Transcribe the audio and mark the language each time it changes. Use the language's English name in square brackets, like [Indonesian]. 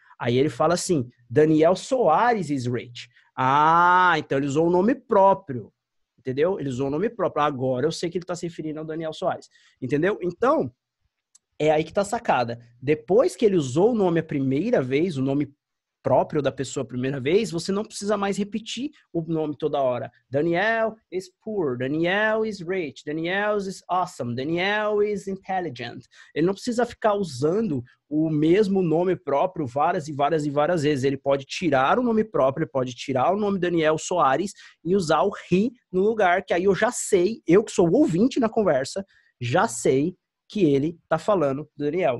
[Portuguese] Aí ele fala assim: [English] Daniel Soares is rich. [Portuguese] Ah, então ele usou o nome próprio. Entendeu? Ele usou o nome próprio. Agora eu sei que ele está se referindo ao Daniel Soares. Entendeu? Então, é aí que está a sacada. Depois que ele usou o nome a primeira vez, o nome próprio da pessoa a primeira vez, você não precisa mais repetir o nome toda hora. [English] Daniel is poor, Daniel is rich, Daniel is awesome, Daniel is intelligent. [Portuguese] Ele não precisa ficar usando o mesmo nome próprio várias e várias e várias vezes. Ele pode tirar o nome próprio, ele pode tirar o nome Daniel Soares e usar o he no lugar, que aí eu já sei, eu que sou o ouvinte na conversa, já sei que ele tá falando do Daniel.